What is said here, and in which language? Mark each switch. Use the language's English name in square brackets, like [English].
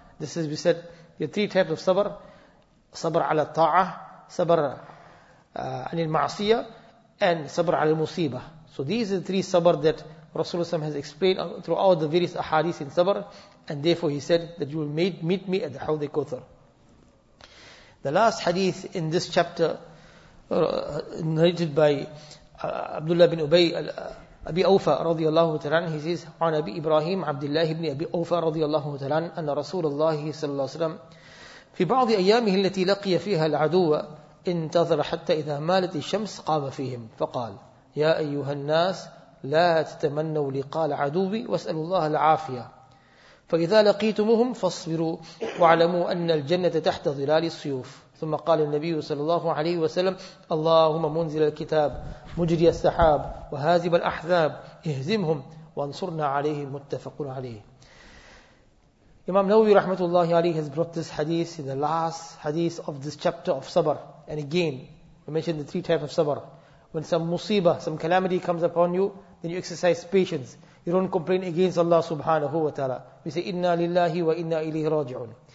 [English] This is, we said, there are three types of sabr. Sabr ala ta'ah, sabr anil ma'asiyah, and sabr ala musibah. So these are the three sabr that Rasulullah has explained throughout the various ahadith in sabr, and therefore he said that you will meet me at the Hawd al-Kawthar. The last hadith in this chapter, narrated by Abdullah bin Ubay Abi Awfa radiyallahu ta'ala, he says, [Arabic] عن أبي إبراهيم عبد الله بن أبي أوفا رضي الله تعالى أن رسول الله صلى الله عليه وسلم في بعض أيامه التي لقي فيها العدو انتظر حتى إذا مالت الشمس قام فيهم فقال يا أيها الناس لا تتمنوا لقاء عدوي واسألوا الله العافية فإذا لقيتمهم فاصبروا واعلموا أن الجنة تحت ظلال السيوف. ثم قال النبي صلى الله عليه وسلم اللهم منزل الكتاب مجري السحاب وهازم الأحزاب اهزمهم وانصرنا عليه متفق عليه. [English] Imam Nawawi rahmatullahi alayhi has brought this hadith in the last hadith of this chapter of sabr. And again, we mentioned the three types of sabr. When some musibah, some calamity comes upon you, then you exercise patience. You don't complain against Allah subhanahu wa ta'ala. We say, inna lillahi wa inna ilayhi raji'un.